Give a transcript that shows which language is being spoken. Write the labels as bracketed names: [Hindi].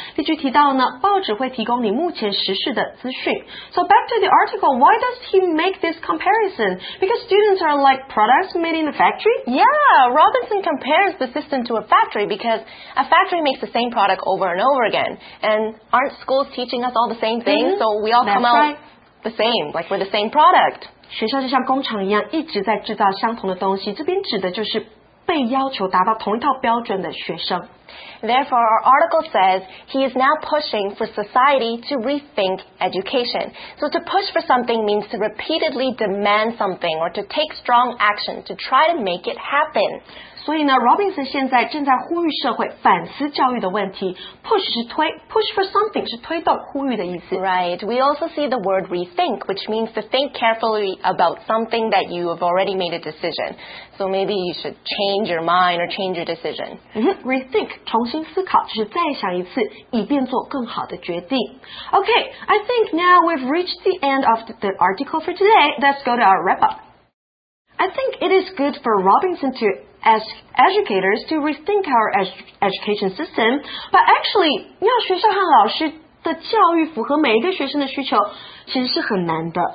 [Chinese] 例句提到呢，报纸会提供你目前时事的资讯。 [English] So back to the article, why does he make this comparison? Because students are like products made in a factory? Yeah, Robinson compares the system to a factory because a factory makes the same product over and over again. And aren't schools teaching us all the same thing, so we all come out the same, like we're the same product. [Chinese] 学校就像工厂一样，一直在制造相同的东西。这边指的就是被要求达到同一套标准的学生。 [English] Therefore, our article says he is now pushing for society to rethink education. So to push for something means to repeatedly demand something or to take strong action to try to make it happen. [Chinese] 所以呢 ,Robinson 现在正在呼吁社会反思教育的问题。 Push 是推 ,push for something 是推动呼吁的意思。 [English] Right, we also see the word rethink, which means to think carefully about something that you have already made a decision. So maybe you should change your mind or change your decision.、 Mm-hmm. Rethink. [Chinese] 重新思考，就是再想一次，以便做更好的决定。 [English] Okay, I think now we've reached the end of the article for today. Let's go to our wrap-up. I think it is good for Robinson to ask educators to rethink our education system. But actually, [Chinese] 要学校和老师的教育符合每一个学生的需求，其实是很难的。